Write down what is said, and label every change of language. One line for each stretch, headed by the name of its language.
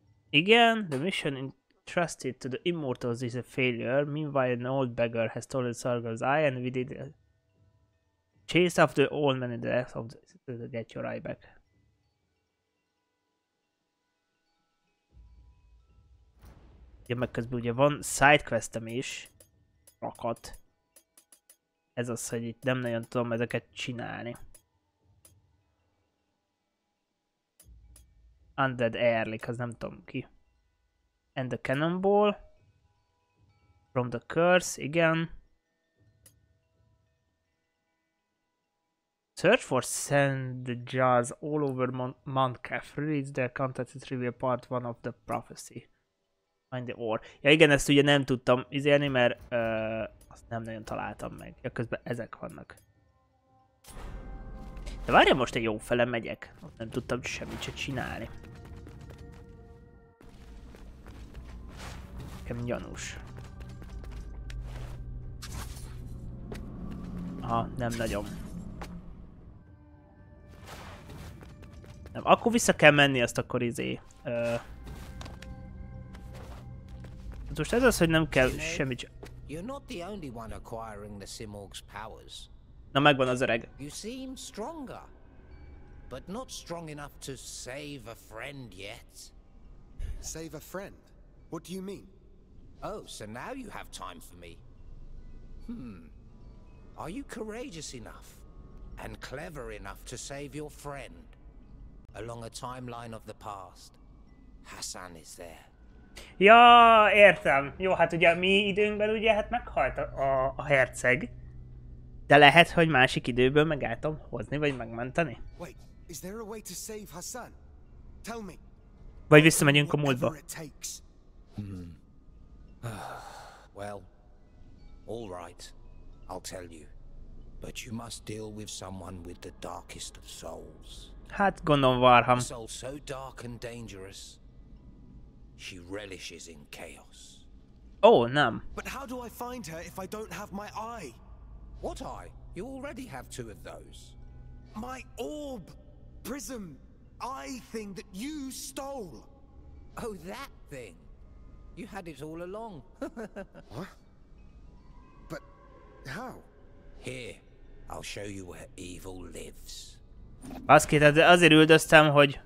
English: Igen, the mission entrusted to the immortals is a failure. Meanwhile, an old beggar has stolen Sargon's eye and we did chase after the old man in the death of the get your eye back.
Hungarian: Ja, meg közben ugye van sidequestem is. Rakat. Ez az, hogy itt nem nagyon tudom ezeket csinálni. Undead Erlik, az nem tudom ki.
English: And the cannonball from the curse, igen. Search for sand jars all over Mount Kef, release their contents and reveal part one of the prophecy. Find the ore.
Hungarian: Ja igen, ezt ugye nem tudtam izélni, mert azt nem nagyon találtam meg. Ja, közben ezek vannak. De várjál, most egy jó fele megyek. Nem tudtam semmit se csinálni. Nekem gyanús. Aha, nem nagyon. Nem, akkor vissza kell menni azt akkor izé. Hát most ez az, hogy nem kell semmit.
English: You're not the only one acquiring the Simorgh's powers.
Hungarian: Na megvan az öreg.
English: You seem stronger, but not strong enough to save a friend yet. Save a friend? What do you mean? Oh, so now you have time for me. Are you courageous enough and clever enough to save your friend along a timeline of the past? Hassan is there.
Hungarian: Ja, értem. Jó, hát ugye a mi időnkben ugye hát meghalt a herceg. De lehet, hogy másik időből meg el tudom hozni vagy megmenteni.
English: Wait, is there a way to save Hassan? Tell me.
Hungarian: Vagy visszamegyünk a múltba.
English: Well, all right, I'll tell you, but you must deal with someone with the darkest of souls.
Hungarian: Hát gondolom Varham.
English: A soul so dark and dangerous, she relishes in chaos. Oh, nam. But how do I find her if I don't have my eye? What eye? You already have two of those. My orb, prism, eye thing that you stole. Oh, that thing. You had it all along. What? But how? Here, I'll show you where evil lives.
Hungarian: Baszki, tehát azért üldöztem, hogy...